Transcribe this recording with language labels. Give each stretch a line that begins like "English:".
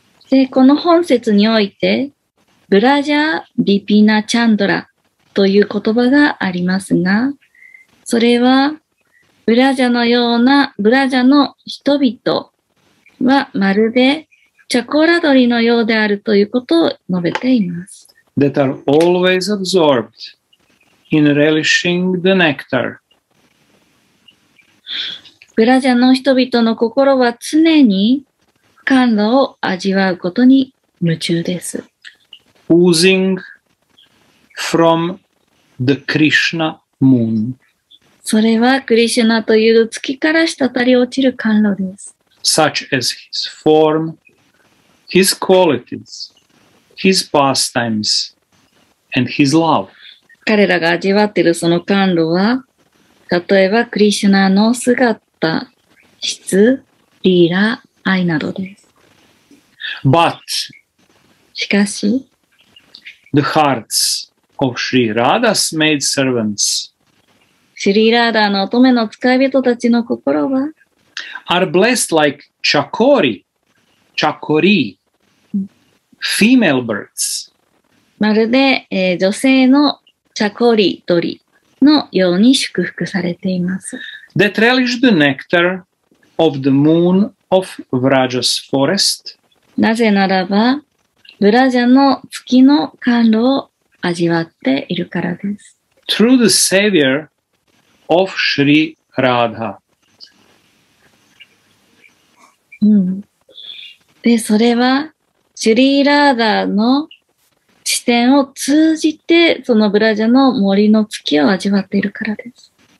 Japanese: で、この本節において、Vraja Vipina Chandra という言葉がありますが、それは、Vraja のような、Vraja の人々はまるで、チャコラ鳥のようであるということを述べています。
English: That are always absorbed in relishing the nectar.
Japanese: ブラジャの人々の心は常に甘露を味わうことに夢中です。
English: Oozing from the Krishna moon.
Japanese: それはクリシュナという月から滴り落ちる甘露です。
English: Such as his form. His qualities, his pastimes, and his love.
Japanese: 彼らが味わっているその甘露は、例えばクリシュナの姿、質、リーラ、愛などです。
English: But,
Japanese: しかし、
English: the hearts of Sri Radha's maid servants,
Japanese: シリーラーダーの乙女の使い人たちの心は、
English: are blessed like chakori, chakori, female birds.
Japanese: まるで、女性のチャコリドリのように祝福されています。
English: That relish the nectar of the moon of Vraja's forest.
Japanese: なぜならば、ブラジャの月の甘露を味わっているからです。
English: Through the savior of Shri Radha.
Japanese: で、それは、シュリーラーダーの視点を通じて、そのブラジャの森の月を味わっているからです。